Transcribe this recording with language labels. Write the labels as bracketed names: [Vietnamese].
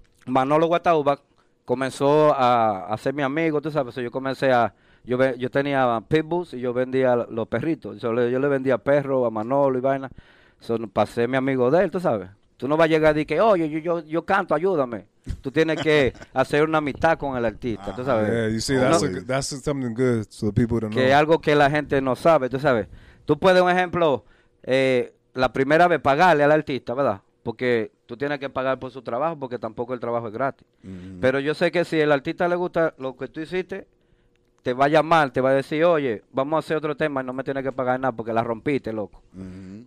[Spanish] Manolo Guataúba comenzó a ser mi amigo, tú sabes. Yo comencé a. Yo tenía pitbulls y yo vendía los perritos. Yo le vendía perros a Manolo y vaina. Para ser mi amigo de él, tú sabes. Tú no vas a llegar y que, oye, yo canto, ayúdame. Tú tienes que hacer una amistad con el artista, tú sabes. [English] Yeah, you see, that's something good so the people don't [Spanish] que [English] know. [Spanish] Es algo que la gente no sabe, tú sabes. Tú puedes, un ejemplo, la primera vez pagarle al artista, ¿verdad? Porque tú tienes que pagar por su trabajo, porque tampoco el trabajo es gratis. Mm-hmm. Pero yo sé que si el artista le gusta lo que tú hiciste, te va a llamar, te va a decir, oye, vamos a hacer otro tema y no me tienes que pagar nada porque la rompiste, loco. Mm-hmm.